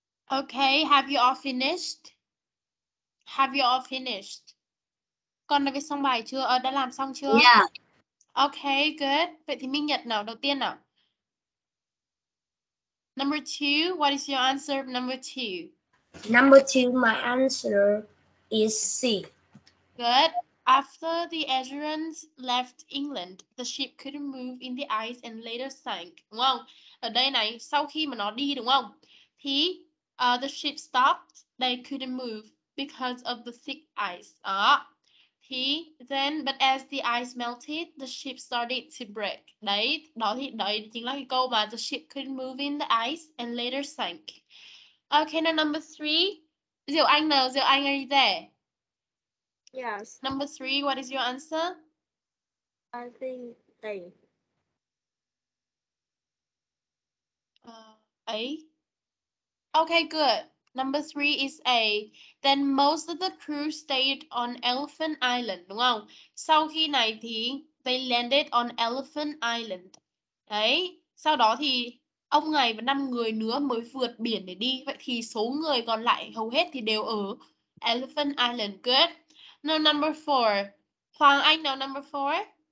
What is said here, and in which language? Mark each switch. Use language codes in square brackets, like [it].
[en] Okay, have you all finished? Have you all finished? [vi] Con đã viết xong bài chưa? Ờ, đã làm xong chưa? [en] Yeah. Okay, good. [vi] Vậy thì Minh Nhật nào, đầu tiên nào. [en] Number two, what is your answer, number two? Number two, my answer is C. Good. After the Azurans left England, the ship couldn't move in the ice and later sank. [vi] Đúng không? Ở đây này, sau khi mà nó đi đúng không? Thì [en] the ship stopped, they couldn't move because of the thick ice. [vi] Đó. Thì [en] then, but as the ice melted, the ship started to break. [vi] Đấy, đó thì đấy chính là cái câu mà [en] the ship couldn't move in the ice and later sank. Okay, now number three. Diệu Anh nào? Diệu Anh, are you there? Yes. Number three, what is your answer? I think A. A? Okay, good. Number three is A. Then most of the crew stayed on Elephant Island, [vi] đúng không? Sau khi này thì [en] they landed on Elephant Island. [vi] Đấy. Sau đó thì ông này và 5 người nữa mới vượt biển để đi. Vậy thì số người còn lại hầu hết thì đều ở Elephant Island. [en] Good. Now number four. Hoàng Anh nào number four?